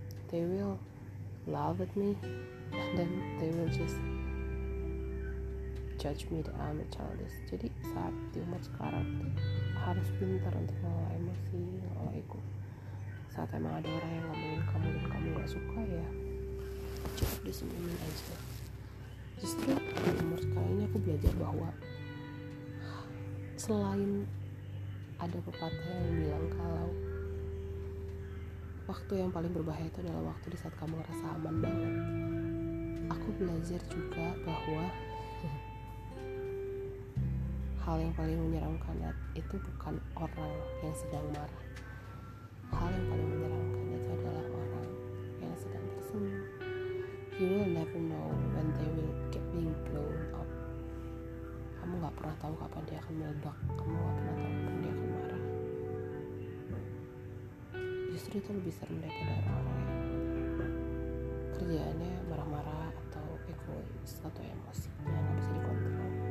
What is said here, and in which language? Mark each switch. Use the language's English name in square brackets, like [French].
[English] They will laugh at me and then they will just judge me that I'm a childish. [Indonesian] Jadi saat di umur sekarang itu harus pintar untuk mengelola emosi, mengelola ego. Saat emang ada orang yang ngomongin kamu dan kamu gak suka, ya cukup disembunyiin aja. Justru di umur sekarang ini aku belajar bahwa selain ada pepatah yang bilang kalau waktu yang paling berbahaya itu adalah waktu di saat kamu ngerasa aman banget, aku belajar juga bahwa hal yang paling menyeramkan itu bukan orang yang sedang marah. Hal yang paling menyeramkan itu adalah orang yang sedang tersenyum. [English] You will never know when they will get being blown up. [Indonesian] gak pernah tahu kapan dia akan meledak. Kamu gak pernah tahu kapan dia akan marah. Justru itu lebih serem daripada orang-orang yang kerjaannya marah-marah atau egois atau emosi yang gak bisa dikontrol.